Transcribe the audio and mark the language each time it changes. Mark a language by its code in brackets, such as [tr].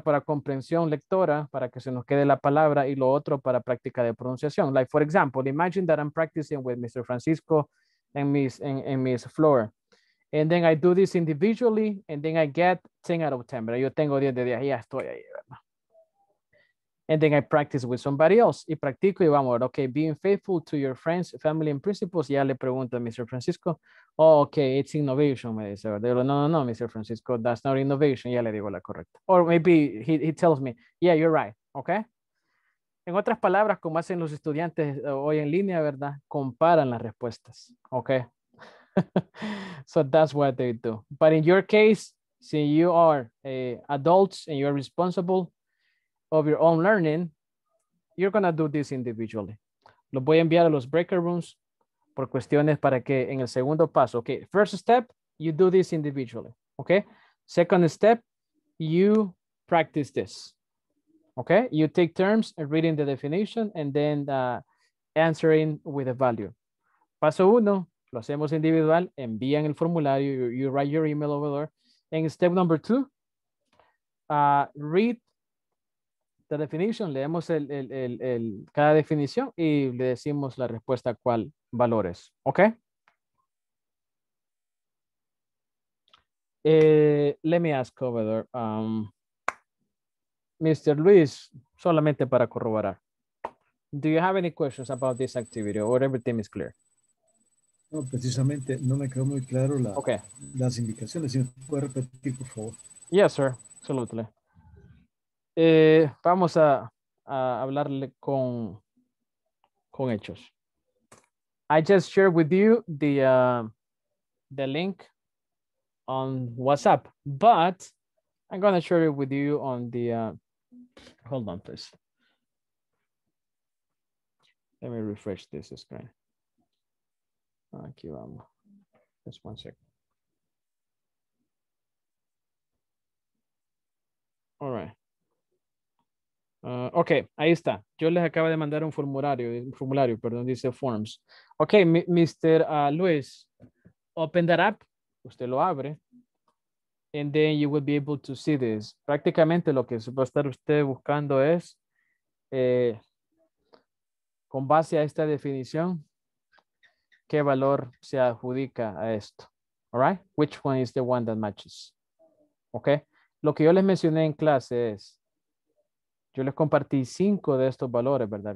[es] Para comprensión lectora, para que se nos quede la palabra y lo otro para práctica de pronunciación. [en] Like, for example, imagine that I'm practicing with Mr. Francisco and Miss Flor. And then I do this individually, and then I get 10 out of 10. [es] Yo tengo 10 de 10, ya estoy ahí, ¿verdad? [en] And then I practice with somebody else. [es] Y practico y vamos, [en] okay, being faithful to your friends, family, and principles. [es] Ya le pregunto a Mr. Francisco. [en] Oh, okay, it's innovation, [es] me dice. ¿Verdad? No, Mr. [en] Francisco, that's not innovation. [es] Ya le digo la correcta. [en] Or maybe he tells me, yeah, you're right, okay? [es] En otras palabras, como hacen los estudiantes hoy en línea, ¿verdad? Comparan las respuestas, [en] okay? So that's what they do. But in your case, since you are adults and you're responsible of your own learning, you're going to do this individually. [es] Los voy a enviar a los breaker rooms por cuestiones para que en el segundo paso. [en] Okay, first step, you do this individually. Okay, second step, you practice this. Okay, you take terms and reading the definition and then answering with a value. [es] Paso uno. Lo hacemos individual, envían el formulario, [en] you write your email over there. And step number two, read the definition, [es] leemos el cada definición y le decimos la respuesta cuál valores, ¿ok? [en] Let me ask over there, Mr. [es] Luis, solamente para corroborar. [en] Do you have any questions about this activity or everything is clear? [es] No, precisamente no me quedó muy claro las indicaciones. Si me puede repetir, por favor. [en] Yes, sir. Absolutely. [es] Vamos a hablarle con hechos. [en] I just shared with you the link on WhatsApp, but I'm going to share it with you on the... hold on, please. Let me refresh this screen. [es] Aquí vamos. [en] Just one second. All right. Okay, [es] ahí está. Yo les acabo de mandar un formulario, dice forms. [en] Okay, Mr. Luis, open that up. [es] Usted lo abre. [en] And then you will be able to see this. [es] Prácticamente lo que va a estar usted buscando es, con base a esta definición, ¿qué valor se adjudica a esto? All right? [en] Which one is the one that matches? [es] Okay? Lo que yo les mencioné en clase es, yo les compartí 5 de estos valores, ¿verdad?